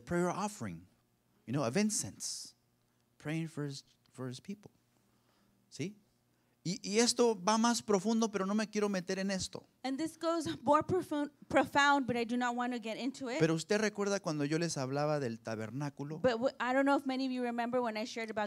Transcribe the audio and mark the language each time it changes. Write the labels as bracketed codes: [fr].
[en] prayer offering, you know, of incense, praying for his people. [es] ¿Sí? Y esto va más profundo, pero no me quiero meter en esto. [en] And this goes more profound, but I do not want to get into it. [es] Pero usted recuerda cuando yo les hablaba del tabernáculo. [en] But I don't know if many of you remember when I shared about